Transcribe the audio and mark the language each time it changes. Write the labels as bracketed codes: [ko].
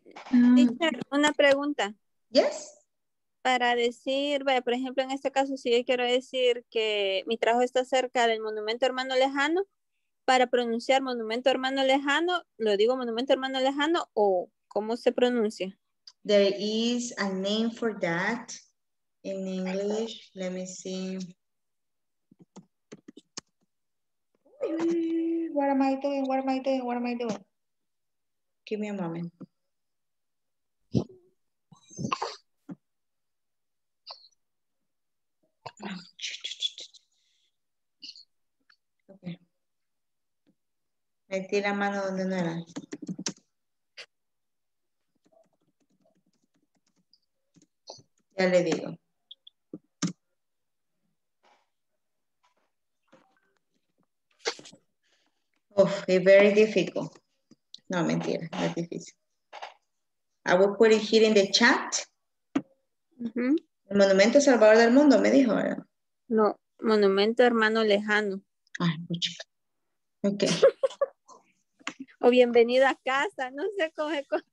[es] Teacher, una pregunta. [en] Yes. [es] Para decir, bueno, por ejemplo, en este caso, si yo quiero decir que mi trabajo está cerca del Monumento Hermano Lejano, para pronunciar Monumento Hermano Lejano, ¿lo digo Monumento Hermano Lejano o cómo se pronuncia? [en] There is a name for that in English. Let me see. What am I doing? Give me a moment. [es] Okay. Metí la mano donde no era. Ya le digo. Uf, [en] it's very difficult. [es] No, mentira, es difícil. [en] I will put it here in the chat. [es] El Monumento Salvador del Mundo, me dijo, ¿verdad? No, Monumento Hermano Lejano. Ay, muchacho. Ok. O Bienvenido a Casa, no sé cómo es.